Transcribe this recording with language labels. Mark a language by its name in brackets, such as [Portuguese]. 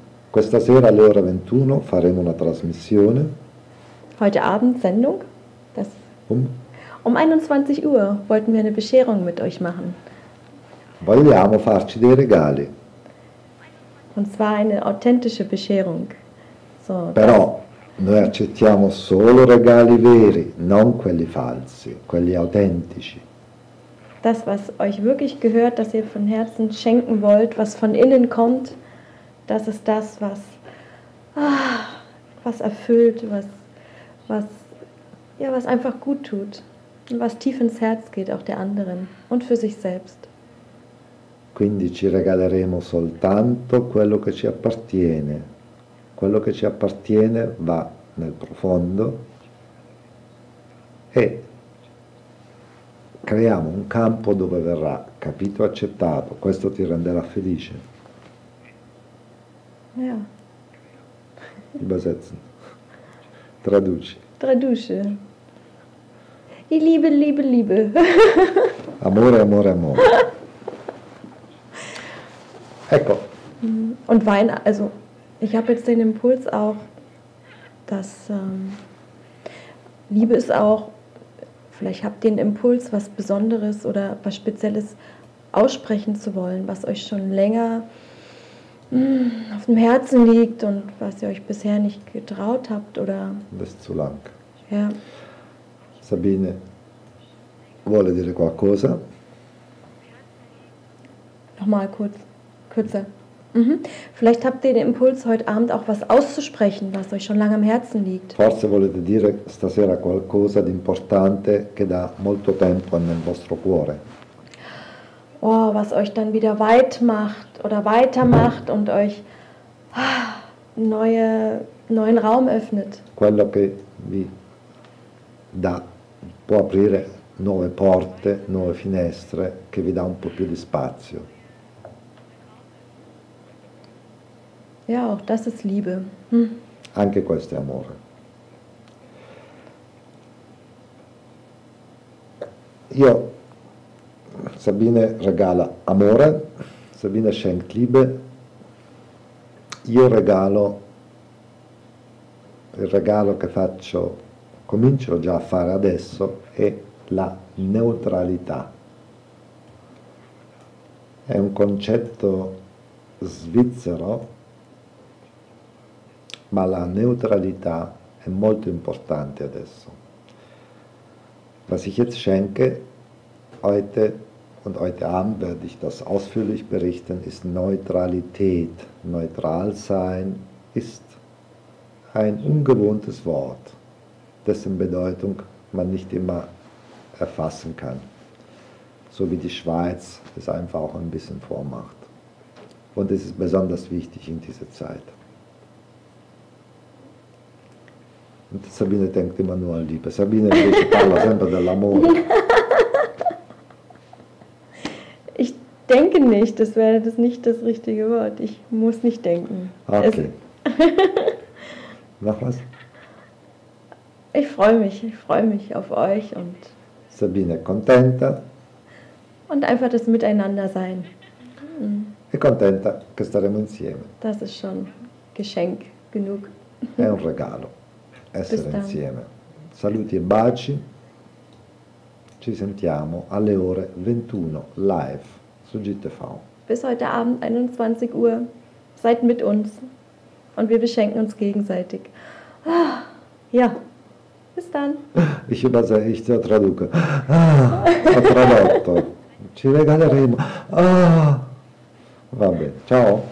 [Italian] Questa sera alle ore 21 faremo una trasmissione. [German] Heute Abend Sendung? Das Um 21 Uhr wollten wir eine Bescherung mit euch machen. [Italian] Vogliamo farci dei regali. [German] Und zwar eine authentische Bescherung. [Italian] So, però noi accettiamo solo regali veri, non quelli falsi, quelli autentici. [German] Das, was euch wirklich gehört, das ihr von Herzen schenken wollt, was von innen kommt, das ist das, was, was erfüllt, was einfach gut tut. Was tief ins Herz geht, auch der anderen und für sich selbst. [Italian] Quindi ci regaleremo soltanto quello che ci appartiene. Quello che ci appartiene va nel profondo e creiamo un campo dove verrà capito, accettato. Questo ti renderà felice. [German] Ja. Übersetzen. [Italian] Traduci. Traduce. [German] Die Liebe, Liebe, Liebe. [Italian] Amore, amore, amore. Ecco. [German] Und Weihnachten, also ich habe jetzt den Impuls auch, dass Liebe ist auch, vielleicht habt ihr den Impuls, was Besonderes oder was Spezielles aussprechen zu wollen, was euch schon länger auf dem Herzen liegt und was ihr euch bisher nicht getraut habt oder... Das ist zu lang. Ja. [Italian] Sabine vuole dire qualcosa? [German] Nochmal kurz, kürzer. Mhm. Vielleicht habt ihr den Impuls, heute Abend auch was auszusprechen, was euch schon lange am Herzen liegt. [Italian] Forse volete dire stasera qualcosa di importante che da molto tempo nel vostro cuore. [German] Oh, was euch dann wieder weit macht oder weitermacht und euch neuen Raum öffnet. [Italian] Quello che vi dà, può aprire nuove porte, nuove finestre, che vi dà un po' più di spazio. [German] Ja, auch das ist Liebe. [Italian] Anche questo è amore. Io, Sabine regala amore, [German] Sabine schenkt Liebe, [Italian] io regalo il regalo che faccio, comincio già a fare adesso, è la neutralità. È un concetto svizzero, ma la neutralità è molto importante adesso. [German] Was ich jetzt schenke, heute und heute Abend werde ich das ausführlich berichten, ist Neutralität. Neutral sein ist ein ungewohntes Wort, dessen Bedeutung man nicht immer erfassen kann. So wie die Schweiz es einfach auch ein bisschen vormacht. Und es ist besonders wichtig in dieser Zeit. Und Sabine denkt immer nur an Liebe. [Italian] Sabine, ich parla sempre dell'amore. [German] Ich denke nicht, das wäre das nicht das richtige Wort. Ich muss nicht denken. Okay. Mach was. Ich freue mich auf euch und [Italian] Sabine contenta. [German] Und einfach das Miteinander sein. [Italian] E contenta che staremo insieme. [German] Das ist schon Geschenk genug. [Italian] È un regalo essere insieme. Saluti e baci. Ci sentiamo alle ore 21 live su GTV. [German] Bis heute Abend 21 Uhr. Seid mit uns und wir beschenken uns gegenseitig. Ja. Bis dann. Ich übersetze, ich [Italian] traduce. Ah, ho tradotto. Ci regaleremo. Ah, va bene. Ciao.